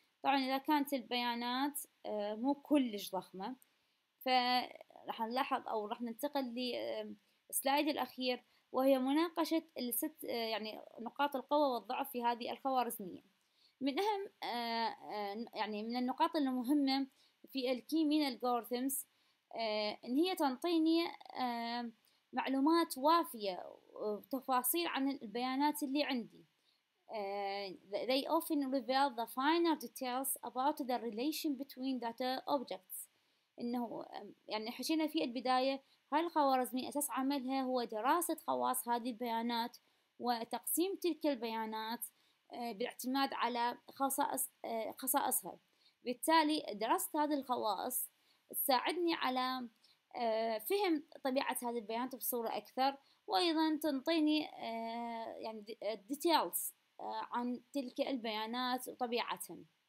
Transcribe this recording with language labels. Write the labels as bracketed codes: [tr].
[ar] طبعاً إذا كانت البيانات مو كلش ضخمة، فراح نلاحظ أو راح ننتقل للسلايد الأخير، وهي مناقشة الست يعني نقاط القوة والضعف في هذه الخوارزمية. من أهم يعني من النقاط المهمة في الكي مين الجورثمز إن هي تنطيني معلومات وافية وتفاصيل عن البيانات اللي عندي. [en] They often reveal the finer details about the relation between data objects. [ar] إنه يعني حشينا في البداية هالخوارزمية أساس عملها هو دراسة خواص هذه البيانات وتقسيم تلك البيانات باعتماد على خصائصها. بالتالي دراسة هذه الخواص تساعدني على فهم طبيعة هذه البيانات بصورة أكثر، وأيضا تنطيني يعني details عن تلك البيانات وطبيعتهم.